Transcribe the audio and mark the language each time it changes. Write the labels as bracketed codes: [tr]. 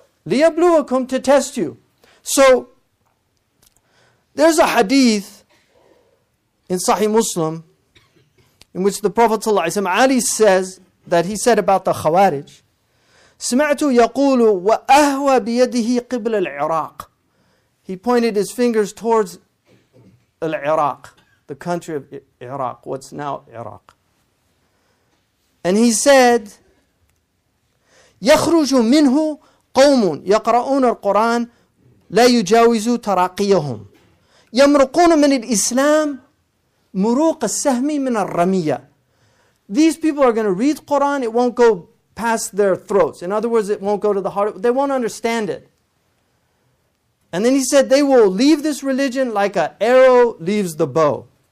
[en] Liyabluwakum, to test you. So, there's a hadith in Sahih Muslim in which the Prophet Sallallahu Alaihi Wasallam, Ali says that he said about the Khawarij, [ar] سَمَعْتُ يَقُولُ وَأَهْوَى بِيَدِهِ قِبْلَ الْعِرَاقِ. [en] He pointed his fingers towards Al-Iraq, the country of Iraq, what's now Iraq. And he said, [ar] يَخْرُجُ مِنْهُ قَوْمٌ يَقْرَؤُونَ الْقُرْآنَ لَا يُجَاوِزُ تَرَاقِيَهُمْ يَمْرُقُونَ مِنِ الْإِسْلَامِ مُرُوقَ السَّهْمِ مِنَ الرَّمِيَّةِ. [en] These people are going to read Quran, it won't go past their throats. In other words, it won't go to the heart. They won't understand it. And then he said, they will leave this religion like an arrow leaves the bow.